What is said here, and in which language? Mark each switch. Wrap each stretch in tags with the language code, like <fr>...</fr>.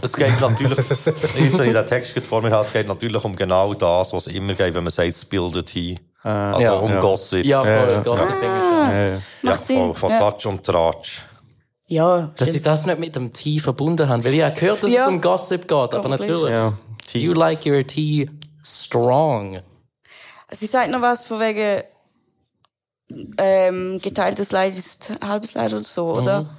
<de>Es geht natürlich, jetzt, wenn ich den Text vor mir habe, es geht natürlich um genau das, was es immer geht, wenn man sagt,</de> <en>spill the tea. Gossip.</en> <de>Ja, voll.</de> <en>Gossip.</en> <de>Von Tatsch und Tratsch. Ja. Dass sie das nicht mit dem Tee verbunden haben. Weil ich habe gehört, dass es um Gossip geht, aber natürlich. Ja.</de> <en>You like your tea strong.</en> <de>Sie sagt noch was von wegen geteiltes Leid ist halbes Leid oder so, oder?</de>